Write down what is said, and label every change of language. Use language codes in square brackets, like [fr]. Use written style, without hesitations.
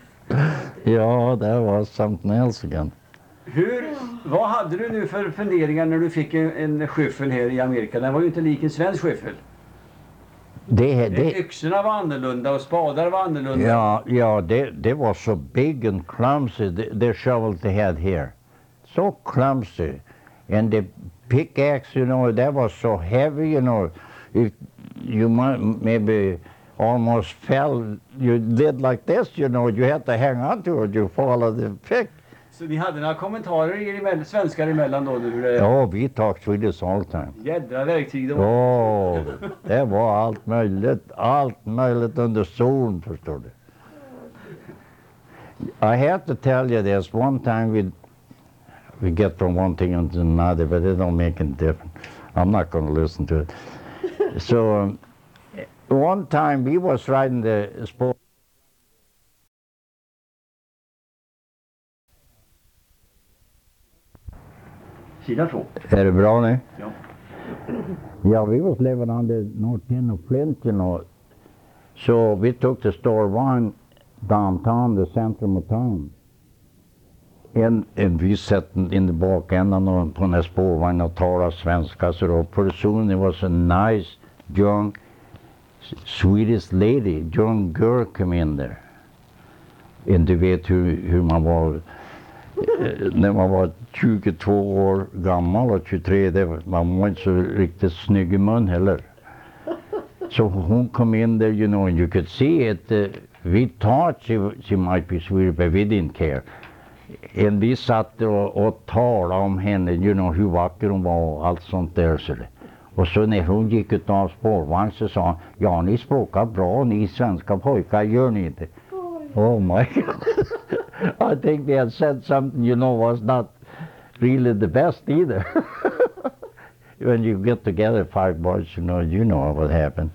[en] Yeah, that was something else again. [sv] Vad hade du nu för funderingar när du fick en skyffel här i Amerika? Den var ju inte lik en svensk skyffel. Yxorna var annorlunda och spadar var annorlunda. [en] Ja, [sv] det var så [en] big and clumsy, the shovel they had here. so clumsy. And the pickaxe, you know, that was so heavy, you know. If you might maybe almost fell, you did like this, you know, you had to hang on to it, you follow the pick. [sv] Så ni hade några kommentarer i svenskar emellan då? Ja, [en] vi talked Swedish all the time. [sv] Jädra verktyg då. Ja, det var allt möjligt under solen, förstår du. [en] I have to tell you this, one time we get from one thing to another, but it don't make any difference. I'm not going to listen to it. So, one time we was riding the sport. [sv] Är det bra nu? Ja. [en] Ja, vi was living on the North Pin of Flint, you know. So we took the store one downtown, the center of town. And we sat in the back end on the [sv] spårvagn och talade svenska. [en] So pretty soon there was a nice, young, Swedish lady, young girl came in there. [sv] And du vet hur man var. När man var 22 år gammal och 23, man var inte så riktigt snygg i mun heller. Så hon kom in där, [en] you know, and you could see it. We thought she might be Swedish, but we didn't care. [sv] And vi satt och talade om henne, you know, hur vacker hon var och allt sånt där. Och så när hon gick ut av spårvagn så sa hon, ja, ni språkar bra, ni svenska pojkar, gör ni inte? [en] Oh my God. I think they had said something, you know, was not really the best either. When you get together five boys, you know what happened.